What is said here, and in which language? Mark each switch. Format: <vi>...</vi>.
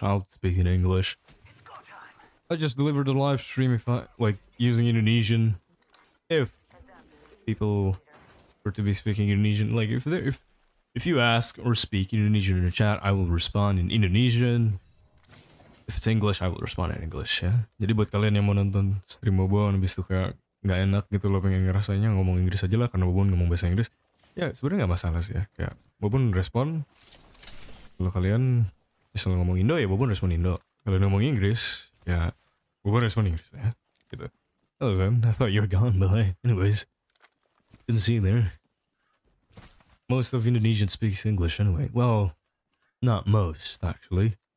<en>I'll speak in English. I just delivered a live stream if I, like, using Indonesian. If people were to be speaking Indonesian, like, if you ask or speak Indonesian in the chat, I will respond in Indonesian. If it's English, I will respond in English, ya.</en> <id>Jadi buat kalian yang mau nonton stream Bobon, abis itu kayak... Gak enak gitu loh pengen ngerasainya ngomong Inggris aja lah karena Bobon ngomong bahasa Inggris. Ya sebenarnya gak masalah sih ya. Kayak Bobon respon. Kalau kalian misalnya ngomong Indo ya Bobon respon Indo. Kalau ngomong Inggris ya Bobon respon Inggris ya. Gitu.</id> <en>Hello Zen, I thought you were gone, but anyways. Didn't see you there. Most of Indonesian speaks English anyway. Well, not most actually.</en>